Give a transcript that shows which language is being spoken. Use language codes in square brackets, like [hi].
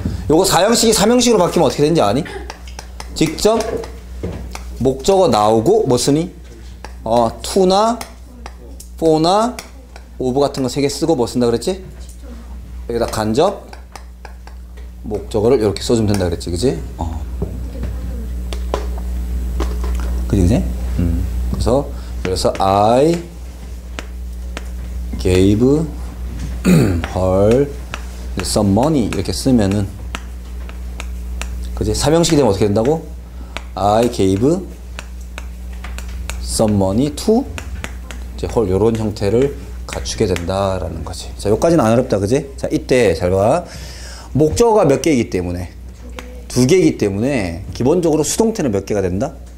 [ko] 요거 4형식이 3형식으로 바뀌면 어떻게 되는지 아니? 직접 목적어 나오고 뭐 쓰니? to나 for나 of 같은 거 세 개 쓰고 뭐 쓴다 그랬지? 여기다 간접 목적어를 이렇게 써주면 된다 그랬지, 그치? 그지? 그래서 [en] I gave her some money [ko] 이렇게 쓰면은 그지? 3형식이 되면 어떻게 된다고? [en] I gave some money to [ko] 이제 her 이런 형태를 갖추게 된다라는 거지. 자, 여기까지는 안 어렵다, 그지? 자, 이때 잘 봐. 목적어가 몇 개이기 때문에 두 개이기 때문에 기본적으로 수동태는 몇 개가 된다?